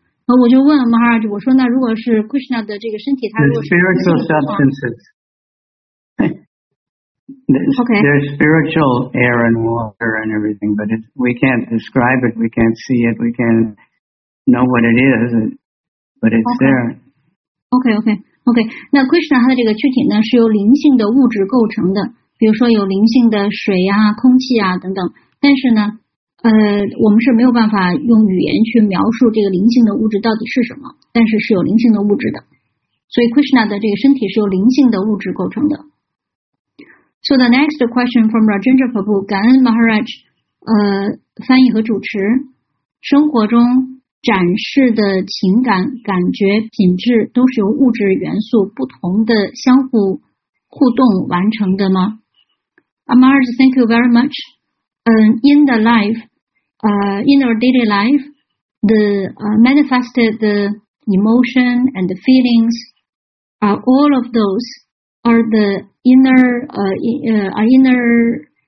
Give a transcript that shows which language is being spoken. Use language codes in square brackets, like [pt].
[zh] 那我就问 Maharaj， 我说那如果是 Krishna 的这个身体，他如果是有这个情况 ， [en] spiritual substances。 Okay. There's spiritual air and water and everything, but it's, we can't describe it, we can't see it, we can't know what it is, but it's okay. there. Okay, okay, okay. [zh] 那 Krishna 他的这个躯体呢是由灵性的物质构成的，比如说有灵性的水啊、空气啊等等。但是呢，我们是没有办法用语言去描述这个灵性的物质到底是什么，但是是有灵性的物质的。所以 Krishna 的这个身体是由灵性的物质构成的。 [en] So the next question from Rajendra Prabhu, [zh] 感恩 Maharaj, 翻译和主持。生活中展示的情感、感觉、品质都是由物质元素不同的相互互动完成的吗？ [en] Maharaj, thank you very much. In the life, in our daily life, the manifested the emotion and the feelings, all of those are the